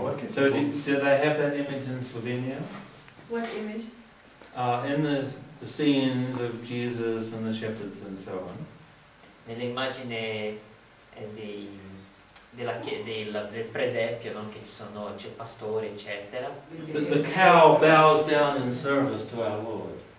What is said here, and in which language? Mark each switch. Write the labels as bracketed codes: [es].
[en] So did I have that image in Slovenia? What image? In the scenes of Jesus and the shepherds and so on. [it] Nell'immagine del presepio, non che ci sono c'è pastore eccetera. [en] The cow bows down in service to our Lord.